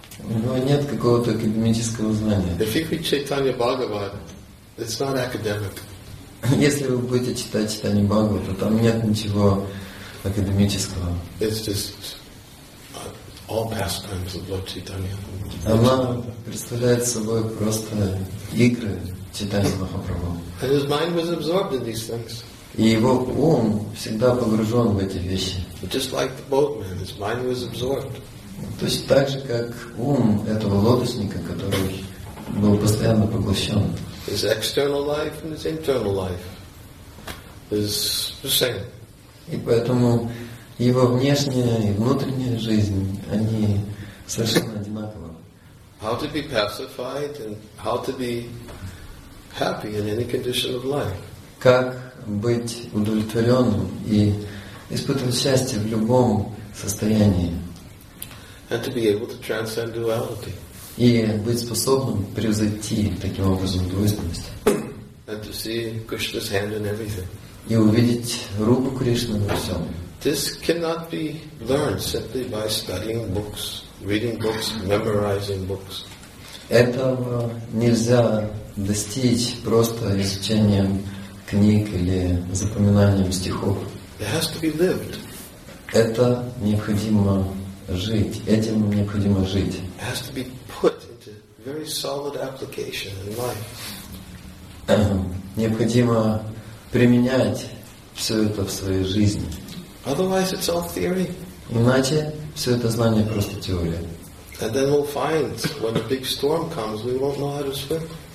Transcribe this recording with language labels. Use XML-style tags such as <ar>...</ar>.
<ru>Но нет какого-то академического знания.</ru> <en>If you read Chaitanya Bhagavat, it's not academic.</en> <ru>Если вы будете читать Чайтанья Бхагавату, там нет ничего академического.</ru> <en>It's just all pastimes of Lord Chaitanya.</en> <ru>Она представляет собой просто игры Чайтанья Махапрабху.</ru> <en>And his mind was absorbed in these things.</en> <ru>И его ум всегда погружен в эти вещи.</ru> <en>Just like the boatman, his mind was absorbed.</en> <ru>То есть так же, как ум этого лодочника, который был постоянно поглощен.</ru> <en>His external life and his internal life is the same.</en> <ru>И поэтому его внешняя и внутренняя жизнь, они совершенно одинаковы.</ru> <en>How to be pacified and how to be happy in any condition of life.</en> <ru>Как быть удовлетворенным и испытывать счастье в любом состоянии.</ru> <en>And to be able to transcend duality.</en> <ru>И быть способным превзойти таким образом двойственность.</ru> <en>And to see Krishna's hand in everything.</en> <ru>И увидеть руку Кришны во всем.</ru> <en>This cannot be learned simply by studying books, reading books, memorizing books.</en> <ru>Этого нельзя достичь просто изучением книг или запоминанием стихов.</ru> <en>It has to be lived.</en> <ru>Это необходимо жить. Этим необходимо жить.</ru> <en>It has to be put into very solid application in life.</en> <ru>Необходимо применять все это в своей жизни.</ru> <en>Otherwise it's all theory.</en> <ru>Иначе все это знание просто теория.</ru> <en>And then we'll find when a big storm comes, we won't know how to swim.</en>